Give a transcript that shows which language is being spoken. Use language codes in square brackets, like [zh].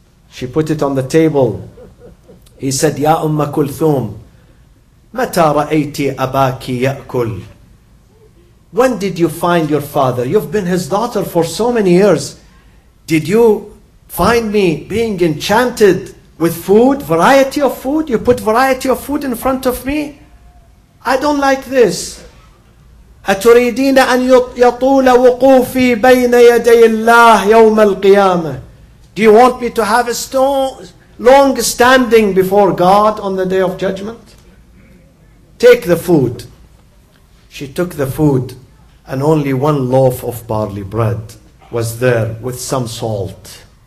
[en] She put it on the table. He said, Ya Umm Kulthum, [ar] Mata ra'ayti abaki ya'kul. [en] When did you find your father? You've been his daughter for so many years. Did you find me being enchanted with food, variety of food? You put variety of food in front of me? I don't like this. [ar] أتريدين أن يطول وقوفي بين يدي الله يوم القيامة? [en] Do you want me to have a long standing before God on the Day of Judgment? Take the food. She took the food, and only one loaf of barley bread was there with some salt.